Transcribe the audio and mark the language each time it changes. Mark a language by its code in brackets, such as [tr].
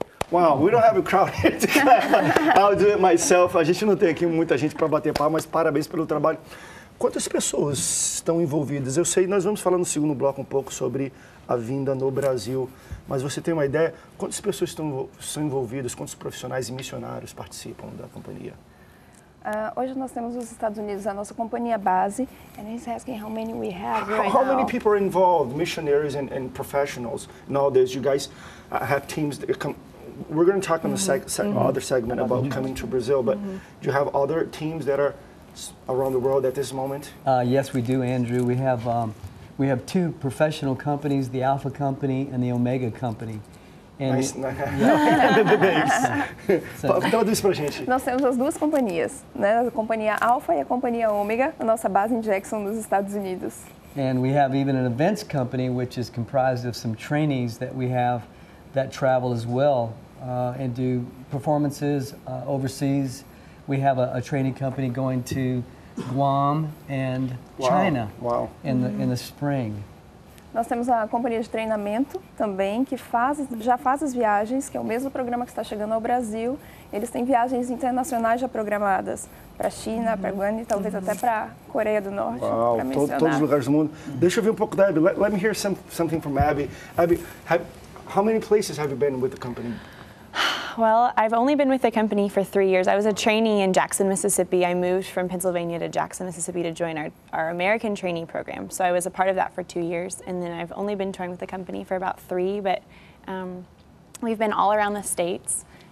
[en] Wow, we don't have a crowd here to clap. I'll do it myself. [pt] A gente não tem aqui muita gente para bater palma, mas parabéns pelo trabalho. Quantas pessoas estão envolvidas? Eu sei, nós vamos falar no segundo bloco um pouco sobre a vinda no Brasil, mas você tem uma ideia? Quantas pessoas são envolvidas? Quantos profissionais e missionários participam da companhia? Hoje nós temos os Estados Unidos, a nossa companhia base. [en] And he's asking how many we have right now. How many people are involved, missionaries and professionals nowadays? You guys have teams that come. We're going to talk on the other segment about coming to Brazil, but do you have other teams that are around the world at this moment? Yes, we do, Andrew. We have two professional companies, the Alpha Company and the Omega Company. [pt] Nós temos as duas companhias, né? A companhia Alpha e a companhia Omega, a nossa base em Jackson, nos Estados Unidos. [en] And we have even an events company, which is comprised of some trainees that we have that travel as well and do performances overseas. We have a training company going to Guam and China in the spring. [pt] Nós temos a companhia de treinamento também, que já faz as viagens, que é o mesmo programa que está chegando ao Brasil. Eles têm viagens internacionais já programadas para a China, para Guam e talvez até para a Coreia do Norte, para mencionar. Todos os lugares do mundo. Deixa eu ver um pouco da Abby. [en] Let me hear something from Abby. Abby, how many places have you been with the company? Well, I've only been with the company for 3 years. I was a trainee in Jackson, Mississippi. I moved from Pennsylvania to Jackson, Mississippi to join our American trainee program. So I was a part of that for 2 years. And then I've only been touring with the company for about three, but we've been all around the states.